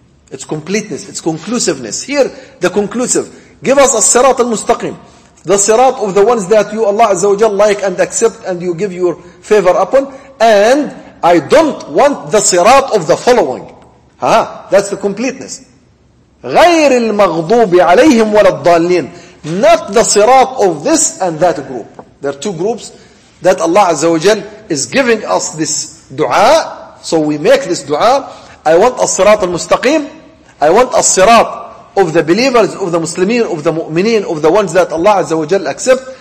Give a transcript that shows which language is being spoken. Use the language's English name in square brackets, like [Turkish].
[English] It's completeness, it's conclusiveness. Here, the conclusive. Give us as-sirat al-mustaqim. The sirat of the ones that you, Allah Azza wa Jal, like and accept and you give your favor upon. And I don't want the sirat of the following. Huh? That's the completeness. [Arabic] غير المغضوب عليهم ولا الضالين. [English] Not the sirat of this and that group. There are two groups that Allah Azza wa Jal is giving us this dua. So we make this dua. I want as-sirat al-mustaqim. I want as-sirat of the believers, of the Muslimin, of the mu'mineen, of the ones that Allah Azza wa Jal accept.